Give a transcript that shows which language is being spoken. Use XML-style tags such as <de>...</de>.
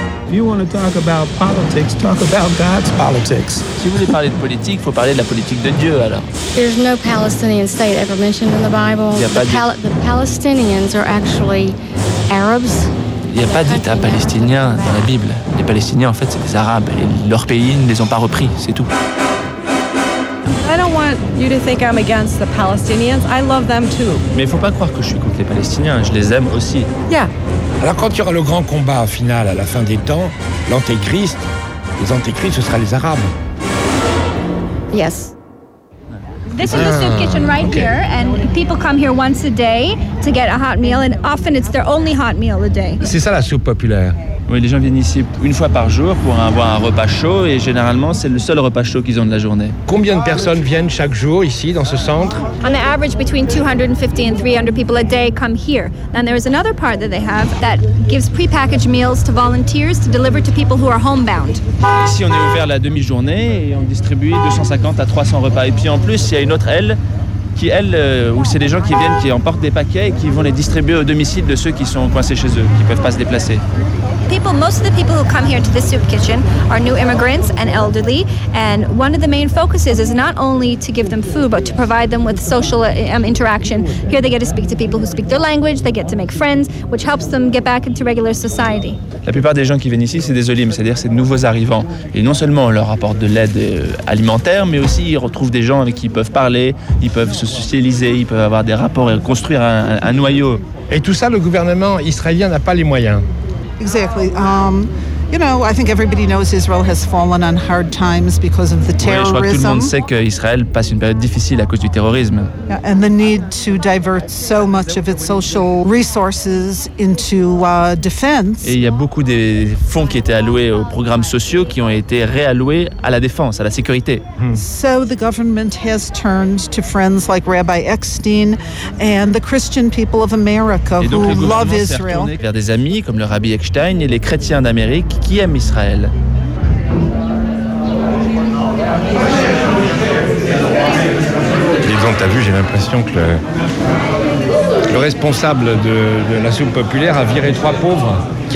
<en>You want to talk about politics, talk about God's politics.</en> <fr>Si vous voulez parler de politique, faut parler de la politique de Dieu alors.</fr> <en>There's no Palestinian state ever mentioned in the Bible. The Palestinians are actually Arabs.</en> <fr>Il n'y a pas d'État palestinien dans la Bible. Les Palestiniens en fait, c'est des Arabes, et leur pays ne les ont pas repris, c'est tout.</fr> <en>I don't want you to think I'm against the Palestinians. I love them too.</en> <fr>Mais il faut pas croire que je suis contre les Palestiniens, je les aime aussi.</fr> <en>Yeah.</en> <fr>Alors quand il y aura le grand combat final à la fin des temps, l'antéchrist, les antéchrists, ce sera les Arabes.</fr> <en>Yes. This is a soup kitchen right here, and people come here once a day to get a hot meal, and often it's their only hot meal a day.</en> <fr>C'est ça la soupe populaire. Oui, les gens viennent ici une fois par jour pour avoir un repas chaud, et généralement c'est le seul repas chaud qu'ils ont de la journée. Combien de personnes viennent chaque jour ici dans ce centre?</fr> <en>On the average, between 250 and 300 people a day come here. And there is another part that they have that gives prepackaged meals to volunteers to deliver to people who are homebound.</en> <fr>Ici, on est ouvert la demi-journée et on distribue 250 à 300 repas. Et puis en plus, il y a une autre aile. Qui, elle, où c'est des gens qui viennent, qui emportent des paquets et qui vont les distribuer au domicile de ceux qui sont coincés chez eux, qui ne peuvent pas se déplacer.</fr> <en>People, most of the people who come here to the soup kitchen are new immigrants and elderly, and one of the main focuses is not only to give them food, but to provide them with social interaction. Here they get to speak to people who speak their language, they get to make friends, which helps them get back into regular society.</en> <fr>La plupart des gens qui viennent ici, c'est des olim, c'est-à-dire c'est de nouveaux arrivants. Et non seulement on leur apporte de l'aide alimentaire, mais aussi ils retrouvent des gens avec qui ils peuvent parler, ils peuvent se socialiser, ils peuvent avoir des rapports et construire un noyau. Et tout ça, le gouvernement israélien n'a pas les moyens.</fr> <en>Exactly. You know, I think everybody knows Israel has fallen on hard times because of the terrorism.</en> <fr>Oui, je crois que tout le monde sait que Israël passe une période difficile à cause du terrorisme.</fr> <en>Yeah, and the need to divert so much of its social resources into defense.</en> <fr>Et il y a beaucoup des fonds qui étaient alloués aux programmes sociaux qui ont été réalloués à la défense, à la sécurité.</fr> <en>So the government has turned to friends like Rabbi Eckstein and the Christian people of America who love Israel.</en> <fr>Et donc vers des amis comme le Rabbi Eckstein et les chrétiens d'Amérique. Qui aime Israël? Disons, t'as vu, j'ai l'impression que le responsable de la soupe populaire a viré trois pauvres qui</fr>